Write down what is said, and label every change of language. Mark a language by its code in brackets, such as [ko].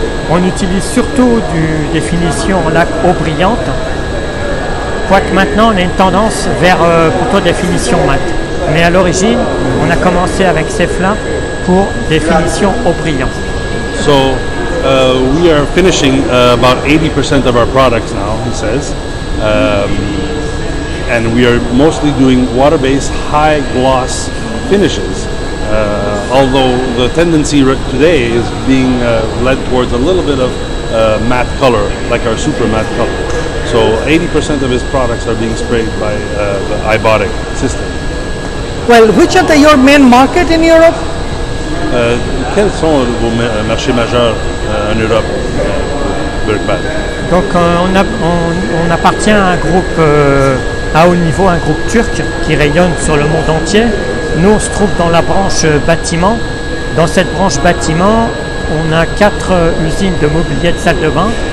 [fr] On utilise surtout des finitions en laque eau brillante. Quoique maintenant, on a une tendance vers plutôt des finitions mates. Mais à l'origine, on a commencé avec Cefla pour des finitions au brillant. [en] So, we are finishing about 80% of our products now, he says. And we are mostly doing water-based, high-gloss finishes. Although the tendency today is being led towards a little bit of matte color, like our super matte color. So, 80% of his products are being sprayed by the iBotic system. Well, which are your main market in Europe? [fr] Quels sont vos marchés majeurs en Europe, Burgbad? Donc on appartient à un groupe à haut niveau, un groupe turc qui rayonne sur le monde entier. Nous, on se trouve dans la branche bâtiment. Dans cette branche bâtiment, on a 4 usines de mobilier de salle de bain.